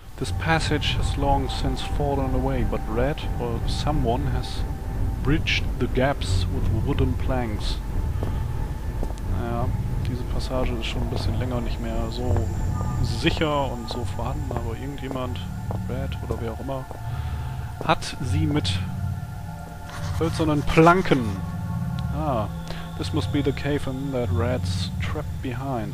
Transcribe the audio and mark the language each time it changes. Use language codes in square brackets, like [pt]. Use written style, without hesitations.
[en] This passage has long since fallen away, but Red, or someone, has bridged the gaps with wooden planks. [de] Naja, diese Passage ist schon ein bisschen länger nicht mehr so sicher und so vorhanden, aber irgendjemand, Red oder wer auch immer, hat sie mit hölzernen Planken. [en] Ah, this must be the cave in that Red's trapped behind.